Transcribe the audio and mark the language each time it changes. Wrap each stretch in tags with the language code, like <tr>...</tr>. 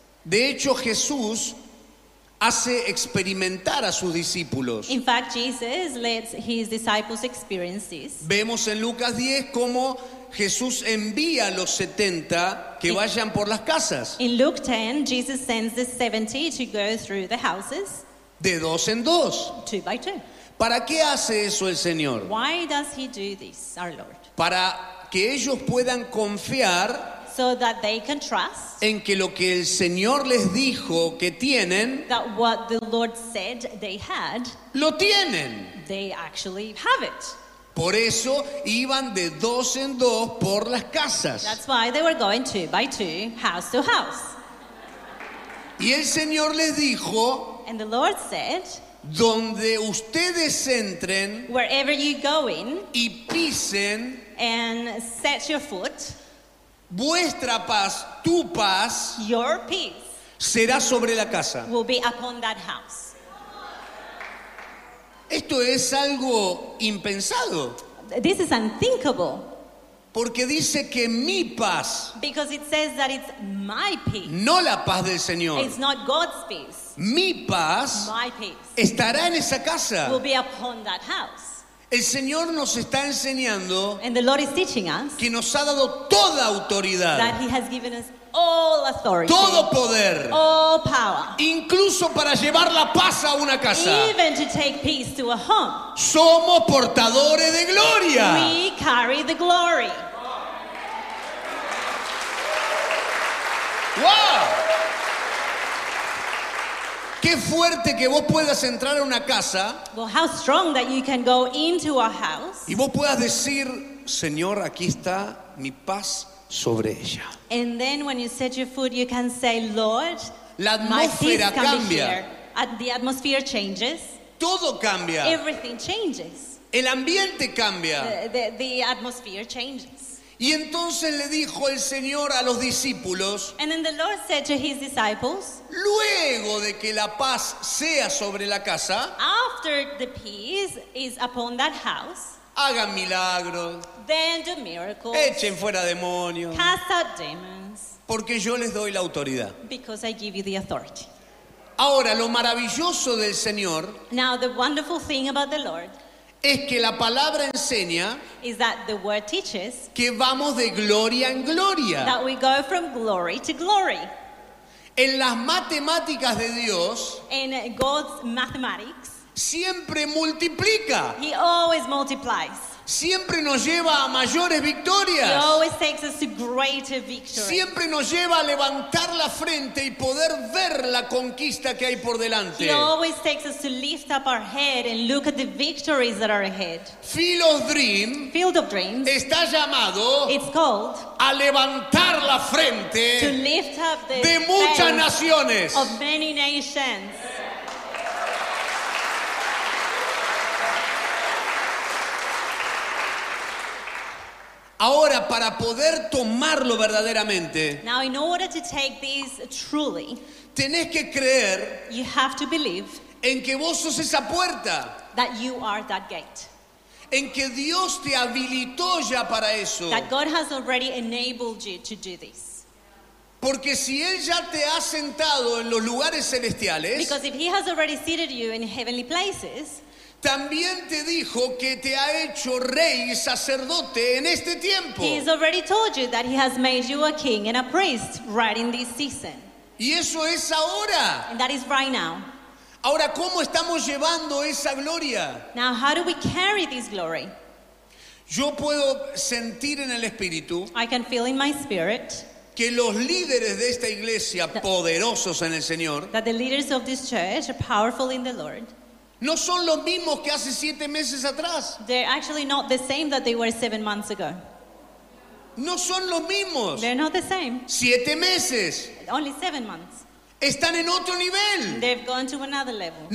<es>De hecho, Jesús hace experimentar a sus discípulos.</es> <en>In fact, Jesus lets his disciples experience this.</en> <es>Vemos en Lucas 10 cómo Jesús envía a los 70 que vayan por las casas.</es> <en>In Luke 10, Jesus sends the 70 to go through the houses.</en> <es>De dos en dos.</es> <en>Two by two.</en> <es>¿Para qué hace eso el Señor?</es> <en>Why does he do this, our Lord?</en> <es>Para que ellos puedan confiar,</es> <en>so that they can trust,</en> <es>en que lo que el Señor les dijo que tienen,</es> <en>that what the Lord said they had,</en> <es>lo tienen.</es> <en>They actually have it.</en> <es>Por eso iban de dos en dos por las casas.</es> <en>That's why they were going two by two, house to house.</en> <es>Y el Señor les dijo,</es> <en>and the Lord said,</en> <es>donde ustedes entren,</es> <en>wherever you go in,</en> <es>y pisen,</es> <en>and set your foot,</en> <es>vuestra paz, tu paz,</es> <en>your peace,</en> <es>será sobre la casa.</es> <en>Will be upon that house.</en> <es>Esto es algo impensado.</es> <en>This is unthinkable.</en> <es>Porque dice que mi paz,</es> <en>because it says that it's my peace,</en> <es>no la paz del Señor,</es> <en>it's not God's peace,</en> <es>mi paz,</es> <en>my peace,</en> <es>estará en esa casa.</es> <en>Will be upon that house.</en> <es>El Señor nos está enseñando,</es> <en>and the Lord is teaching us,</en> <es>que nos ha dado toda autoridad,</es> <en>that he has given us all authority,</en> <es>todo poder,</es> <en>all power,</en> <es>incluso para llevar la paz a una casa,</es> <en>even to take peace to a home.</en> <es>Somos portadores de gloria.</es> <en>We carry the glory. Wow.</en> <es>Qué fuerte que vos puedas entrar a una casa.</es> <en>Well, how strong that you can go into a house.</en> <es>Y vos puedas decir, Señor, aquí está mi paz sobre ella.</es> <en>And then when you set your foot, you can say, Lord,</en> <es>la atmósfera cambia.</es> <en>The atmosphere changes.</en> <es>Todo cambia.</es> <en>Everything changes.</en> <es>El ambiente cambia.</es> <en>The atmosphere changes.</en> <es>Y entonces le dijo el Señor a los discípulos,</es> <en>and then the Lord said to his disciples,</en> <es>luego de que la paz sea sobre la casa,</es> <en>after the peace is upon that house,</en> <es>hagan milagros,</es> <en>then do miracles,</en> <es>echen fuera demonios,</es> <en>cast out demons,</en> <es>porque yo les doy la autoridad.</es> <en>Because I give you the authority.</en> <es>Ahora, lo maravilloso del Señor,</es> <en>now the wonderful thing about the Lord,</en> <es>es que la palabra enseña,</es> <en>is that the word teaches,</en> <es>que vamos de gloria en gloria,</es> <en>that we go from glory to glory.</en> <es>En las matemáticas de Dios,</es> <en>in God's mathematics,</en> <es>siempre multiplica,</es> <en>he always multiplies.</en> <es>Siempre nos lleva a mayores victorias.</es> <en>He always takes us to greater victories.</en> <es>Siempre nos lleva a levantar la frente y poder ver la conquista que hay por delante.</es> <en>He always takes us to lift up our head and look at the victories that are ahead. Field of Dreams</en> <es>está llamado,</es> <en>it's called,</en> <es>a levantar la frente,</es> <en>to lift up the</en> <es>de muchas naciones.</es> <en>Of many nations.</en> <es>Ahora, para poder tomarlo verdaderamente,</es> <en>now, in order to take this truly,</en> <es>tenés que creer,</es> <en>you have to believe,</en> <es>en que vos sos esa puerta,</es> <en>that you are that gate,</en> <es>en que Dios te habilitó ya para eso,</es> <en>that God has already enabled you to do this.</en> <es>Porque si Él ya te ha sentado en los lugares celestiales,</es> <en>because if He has already seated you in heavenly places,</en> <es>también te dijo que te ha hecho rey y sacerdote en este tiempo.</es> <en>He has already told you that He has made you a king and a priest right in this season.</en> <es>Y eso es ahora.</es> <en>And that is right now.</en> <es>Ahora, ¿cómo estamos llevando esa gloria?</es> <en>Now, how do we carry this glory?</en> <es>Yo puedo sentir en el espíritu,</es> <en>I can feel in my spirit,</en> <es>que los líderes de esta iglesia, poderosos en el Señor,</es> <en>that the leaders of this church are powerful in the Lord,</en> <es>no son los mismos que hace 7 meses atrás.</es> <en>They're actually not the same that they were 7 months ago.</en> <es>No son los mismos.</es> <en>They're not the same.</en> <es>7 meses.</es> <en>Only 7 months.</en> <es>Están en otro nivel.</es> <en>They've gone to another level.</en>